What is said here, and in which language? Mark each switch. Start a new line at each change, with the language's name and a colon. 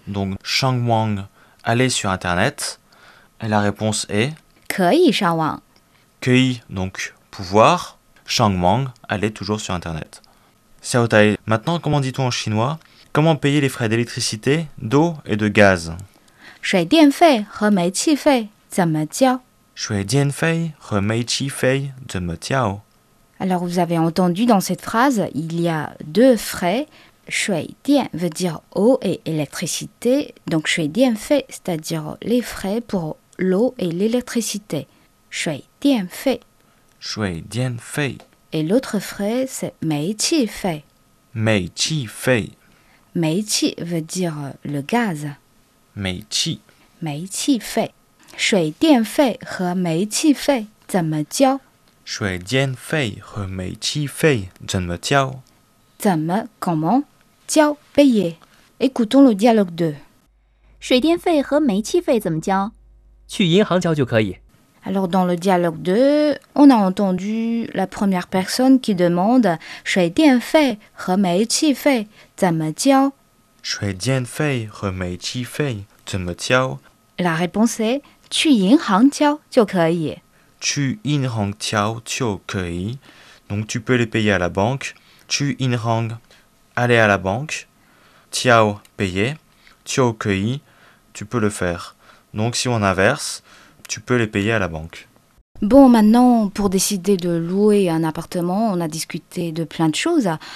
French: Donc,
Chinese: 上网
French: aller sur Internet. Et la réponse est
Chinese: 可以上网。可以
French: donc pouvoir
Chinese: 上网
French: aller toujours sur Internet. Xiao Tai, maintenant, comment dit-on en chinois? Comment payer les frais d'électricité, d'eau et de gaz?
Chinese: 水电费和煤气费怎么交？水电费和煤气费怎么交？
French: Alors vous avez entendu dans cette phrase, il y a deux frais.
Chinese: 水电
French: veut dire eau et électricité. Donc
Chinese: 水电费
French: c'est-à-dire les frais pour l'eau et l'électricité.
Chinese: 水电费。水电费。
French: Et l'autre frais c'est
Chinese: 煤气费。煤气费。煤气
French: veut dire le gaz.
Chinese: 煤气，煤气费，水电费和煤气费怎么交？水电费和煤气费怎么交？怎么
French: comment
Chinese: 交
French: payer? Écoutons le dialogue 2.
Chinese: 水电费和煤气费怎么交？去银行交就可以。
French: Alors dans le dialogue 2, on a entendu la première personne qui demande
Chinese: 水电费和煤气费怎么交？水电费和煤气费怎么交？
French: La réponse est
Chinese: 去银行交就可以。去银行交就可以。
French: Donc tu peux les payer à la banque.
Chinese: 去银行
French: aller à la banque.
Chinese: 交
French: payer.
Chinese: 就可以
French: tu peux le faire. Donc si on inverse, tu peux les payer à la banque. Bon, maintenant, pour décider de louer un appartement, on a discuté de plein de choses.